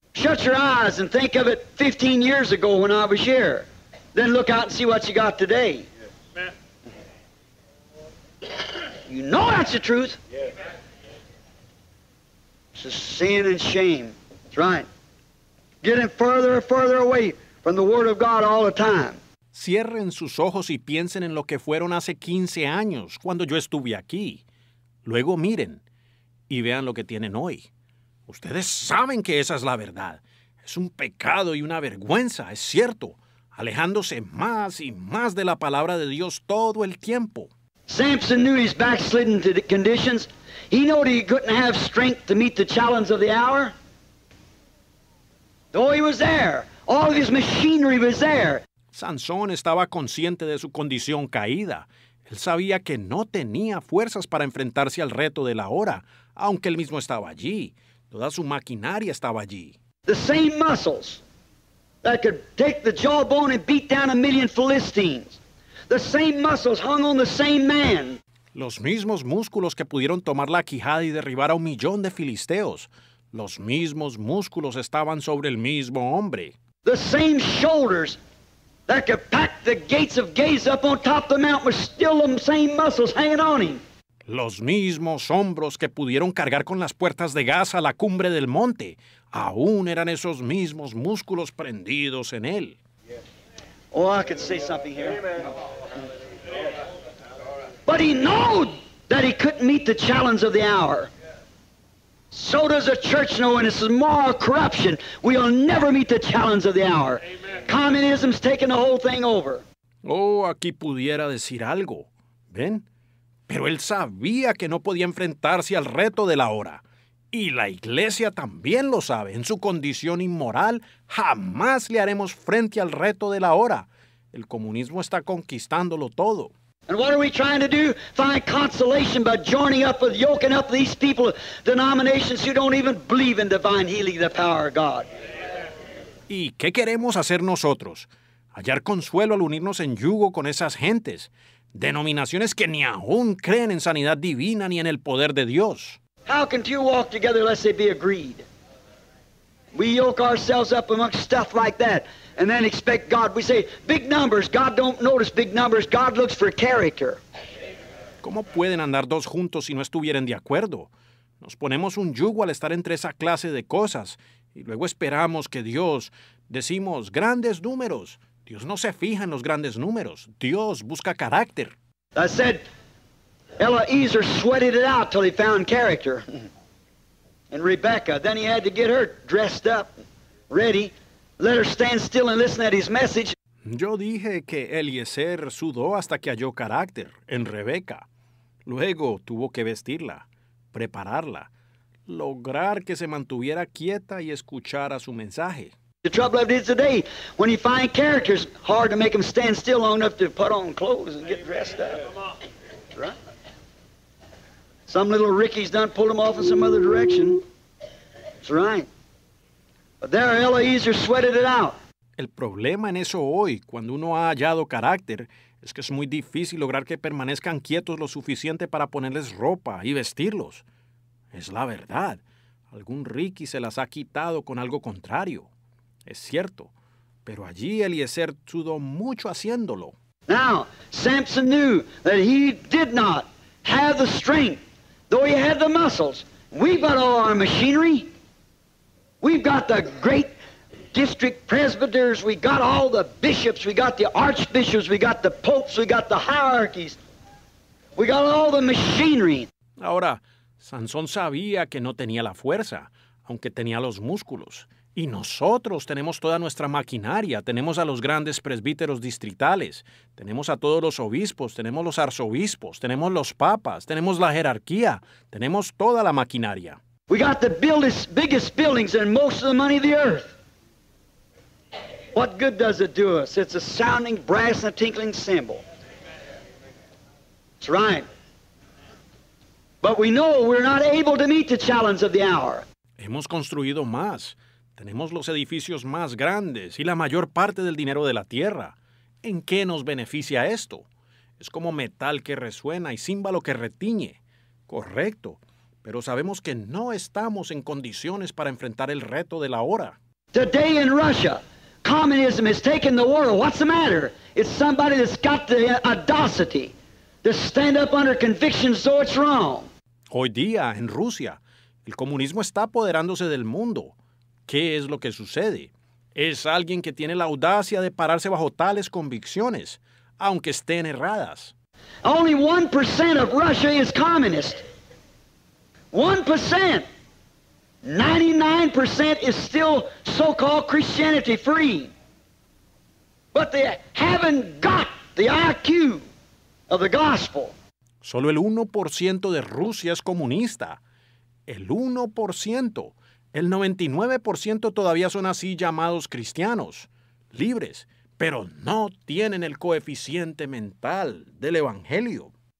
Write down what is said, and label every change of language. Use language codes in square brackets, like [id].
[en] Shut your eyes and think of it 15 years ago when I was here. Then look out and see what you got today. You know that's the truth. It's a sin and shame. That's right. Getting further and further away from the Word of God all the time. [es] Cierren sus ojos y piensen en lo que fueron hace 15 años, cuando yo estuve aquí. Luego miren y vean lo que tienen hoy. Ustedes saben que esa es la verdad. Es un pecado y una vergüenza, es cierto. Alejándose más y más de la palabra de Dios todo el tiempo. [en] Samson knew his backslidden to the conditions. He knew he couldn't have strength to meet the challenge of the hour. Though he was there, all of his machinery was there. [es] Sansón estaba consciente de su condición caída. Él sabía que no tenía fuerzas para enfrentarse al reto de la hora, aunque él mismo estaba allí. Toda su maquinaria estaba allí. [en] The same muscles that could take the jawbone and beat down a million Philistines. The same muscles hung on the same man. [es] Los mismos músculos que pudieron tomar la quijada y derribar a un millón de filisteos. Los mismos músculos estaban sobre el mismo hombre. [en] The same shoulders that could pack the gates of Gaza up on top of the mountain were still the same muscles hanging on him. [es] Los mismos hombros que pudieron cargar con las puertas de Gaza a la cumbre del monte, aún eran esos mismos músculos prendidos en él. [en] Oh, I could say something here. But he knew that he couldn't meet the challenge of the hour. So does the church know, and it's a moral corruption. We'll never meet the challenge of the hour. Communism's taking the whole thing over. [es] Oh, aquí pudiera decir algo. ¿Ven? Pero él sabía que no podía enfrentarse al reto de la hora. Y la iglesia también lo sabe. En su condición inmoral, jamás le haremos frente al reto de la hora. El comunismo está conquistándolo todo. [en] And what are we trying to do? Find consolation by joining up with, yoking up these people, denominations who don't even believe in divine healing, the power of God. [es] ¿Y qué queremos hacer nosotros? Hallar consuelo al unirnos en yugo con esas gentes. Denominaciones que ni aún creen en sanidad divina ni en el poder de Dios. [en] How can two walk together unless they be agreed? We yoke ourselves up amongst stuff like that and then expect God. We say, big numbers, God don't notice big numbers, God looks for character. [es] ¿Cómo pueden andar dos juntos si no estuvieran de acuerdo? Nos ponemos un yugo al estar entre esa clase de cosas y luego esperamos que Dios, decimos, grandes números. Dios no se fija en los grandes números. Dios busca carácter. [en] I said, Eliezer sweated it out till he found character. And Rebecca, then he had to get her dressed up, ready, let her stand still and listen at his message. [es] Yo dije que Eliezer sudó hasta que halló carácter en Rebeca. Luego tuvo que vestirla, prepararla, lograr que se mantuviera quieta y escuchara su mensaje. [en] The trouble of it is today, when you find characters, hard to make them stand still long enough to put on clothes and get dressed up. Right? Some little Ricky's done pulled them off in some other direction. That's right. But there, Eliezer sweated it out. [es] El problema en eso hoy, cuando uno ha hallado carácter, es que es muy difícil lograr que permanezcan quietos lo suficiente para ponerles ropa y vestirlos. Es la verdad. Algún Ricky se las ha quitado con algo contrario. Es cierto, pero allí Eliezer sudó mucho haciéndolo. [en] Now, Samson knew that he did not have the strength, though he had the muscles. We've got all our machinery. We've got the great district presbyters. We got all the bishops. We got the archbishops. We got the popes. We got the hierarchies. We got all the machinery. [es] Ahora, Sansón sabía que no tenía la fuerza, aunque tenía los músculos. Y nosotros tenemos toda nuestra maquinaria, tenemos a los grandes presbíteros distritales, tenemos a todos los obispos, tenemos los arzobispos, tenemos los papas, tenemos la jerarquía, tenemos toda la maquinaria. [en] We got the biggest buildings and most of the money of the earth. What good does it do us? It's a sounding brass and a tinkling cymbal. That's right. But we know we're not able to meet the challenge of the hour. [es] Hemos construido más. Tenemos los edificios más grandes y la mayor parte del dinero de la tierra. ¿En qué nos beneficia esto? Es como metal que resuena y címbalo que retiñe. Correcto, pero sabemos que no estamos en condiciones para enfrentar el reto de la hora. [en] Today in Russia, communism is taking the world. What's the matter? It's somebody that's got the audacity to stand up under conviction so it's wrong. [es] Hoy día, en Rusia, el comunismo está apoderándose del mundo. ¿Qué es lo que sucede? Es alguien que tiene la audacia de pararse bajo tales convicciones, aunque estén erradas. [en] Only 1% of Russia is communist. 1%. 99% is still so-called Christianity free. But they haven't got the IQ of the gospel. [es] Solo el 1% de Rusia es comunista. El 1%. El 99% todavía son así llamados cristianos, libres, pero no tienen el coeficiente mental del evangelio.